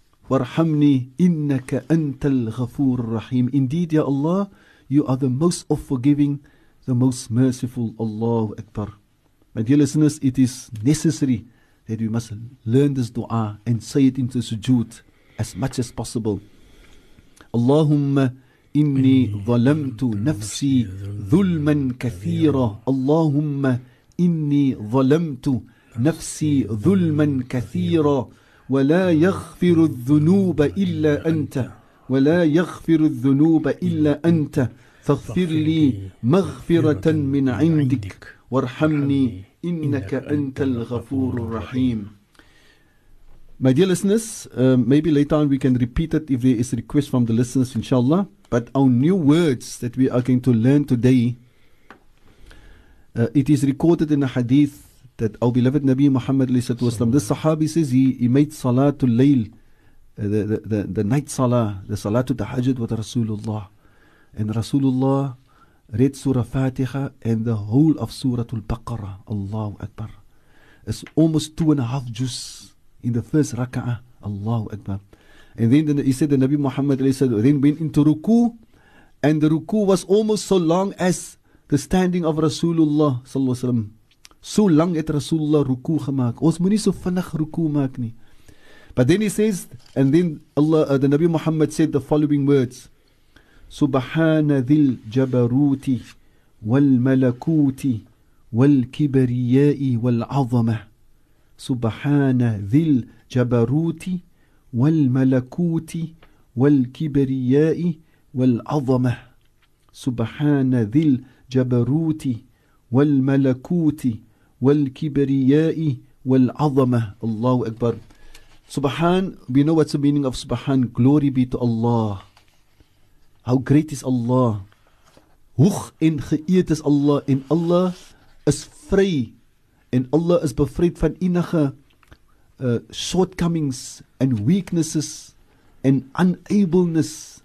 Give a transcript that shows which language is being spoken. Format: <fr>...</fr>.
<ar>وَرْحَمْنِي إِنَّكَ أَنْتَ الْغَفُورُ الرَّحِيمُ.</ar> <en>Indeed, Ya Allah, you are the most of forgiving, the most merciful. Allahu Akbar. My dear listeners, it is necessary that we must learn this dua and say it into sujood as much as possible.</en> <ar>Allahumma إني ظلمت نفسي ظلما كثيرا. اللهم إني ظلمت نفسي ظلما كثيرا. ولا يغفر الذنوب إلا أنت. ولا يغفر الذنوب إلا أنت. فاغفر لي مغفرة من عندك وارحمني إنك أنت الغفور الرحيم.</ar> <en>My dear listeners, maybe later on we can repeat it if there is a request from the listeners, inshallah. But our new words that we are going to learn today, it is recorded in a hadith that our beloved Nabi Muhammad alayhi salam, this sahabi says he made salatul layl, the night salah, the salatul tahajjud with Rasulullah. And Rasulullah read Surah Fatiha and the whole of Suratul Baqarah. Allahu Akbar. It's almost 2.5 juz in the first raka'ah. Allahu Akbar. And then he said, the Nabi Muhammad then went into ruku, and the ruku was almost so long as the standing of Rasulullah sallallahu alaihi wasallam. So long</en> <af>at Rasulullah ruku gemaak. Ons moet nie so vinnig ruku maak nie.</af> <en>But then he says, and then Allah, the Nabi Muhammad said the following words:</en> <ar>Subhana dhil jabaruti wal malakuti wal kibariyai wal azama. Subhana dhil jabaruti والملكوت والكبرياء والعظمة. سبحان ذي الجبروت والملكوت والكبرياء والعظمة. الله أكبر.</ar> <en>سبحان, we know what's the meaning of سبحان. Glory be to Allah. How great is Allah.</en> <af>Hoog en geëerd is Allah. En Allah is vry. En Allah is bevryd van enige</af> <en>shortcomings and weaknesses and unableness.</en>